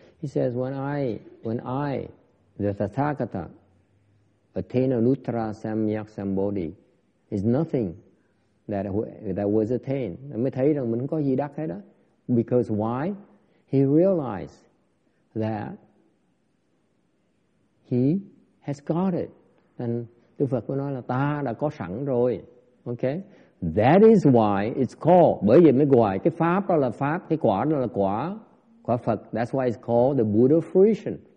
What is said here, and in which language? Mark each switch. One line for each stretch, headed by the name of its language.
English: He says, when I, the Tathagata, attain Anuttara Samyak Sambodhi, is nothing that was attained.
Vietnamese: Mới thấy rằng mình không có gì đắc hết đó.
English: Because why? He realized that he has got it.
Vietnamese: And Đức Phật mới nói là ta đã có sẵn rồi. Okay?
English: That is why it's called,
Vietnamese: bởi vì mới gọi cái pháp đó là pháp, cái quả đó là quả.
English: Quả Phật, that's why it's called the Buddha fruition.